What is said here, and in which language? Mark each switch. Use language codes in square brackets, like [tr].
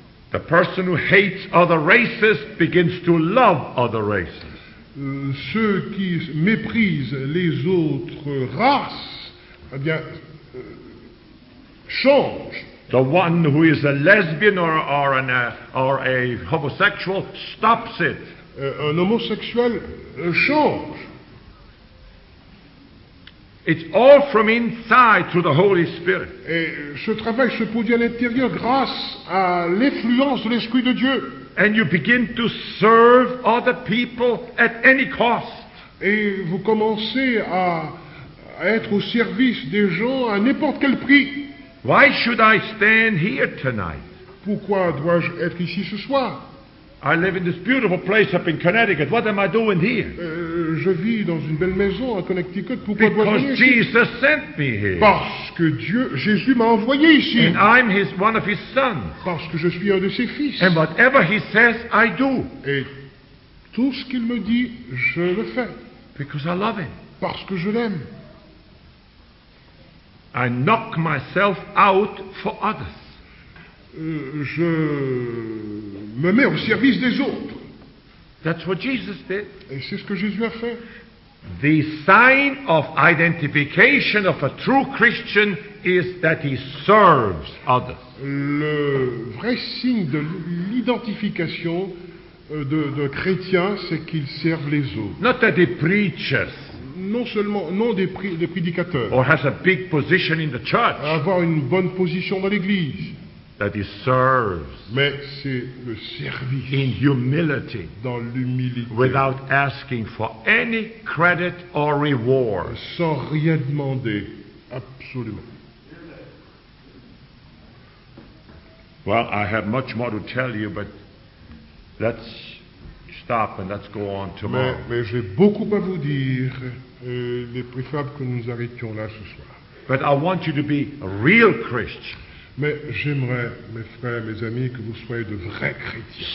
[en] The person who hates other races begins to love other races. [fr] Ceux qui méprisent les autres races, eh bien, changent. [en] The one who is a lesbian or a homosexual stops it. [fr] Un homosexuel change. [en] It's all from inside through the Holy Spirit. [fr] Et ce travail se produit à l'intérieur grâce à l'influence de l'Esprit de Dieu. [en] And you begin to serve other people at any cost. [fr] Et vous commencez à être au service des gens à n'importe quel prix. [en] Why should I stand here tonight? [fr] Pourquoi dois-je être ici ce soir? [en] I live in this beautiful place up in Connecticut. What am I doing here? [fr] Je vis dans une belle maison à Connecticut. Pourquoi [en] Because [fr] dois-je venir ici? [en] Jesus sent me here. [fr] Parce que Jésus m'a envoyé ici. [en] And I'm one of his sons. [fr] Parce que je suis un de ses fils. [en] And whatever he says, I do. [fr] Et tout ce qu'il me dit, je le fais. [en] Because I love him. [fr] Parce que je l'aime. [en] I knock myself out for others. [fr] Je me mets au service des autres. [en] That's what Jesus did. [fr] Et c'est ce que Jésus a fait. [en] The sign of identification of a true Christian is that he serves others. [fr] Le vrai signe de l'identification de chrétien, c'est qu'il serve les autres. [en] Not that he preaches. [fr] Non seulement non des prédicateurs. [en] Or has a big position in the church. [fr] Avoir une bonne position dans l'église. [en] That he serves. [fr] Mais c'est le service. [en] In humility. [fr] Dans l'humilité. [en] Without asking for any credit or reward. [fr] Sans rien demander, absolument. [en] Well, I have much more to tell you, but let's stop and let's go on tomorrow. [fr] Mais j'ai beaucoup à vous dire. Il est préférable que nous arrêtions là ce soir. [en] But I want you to be a real Christian. [fr] Mais j'aimerais, mes frères, mes amis, que vous soyez de vrais chrétiens.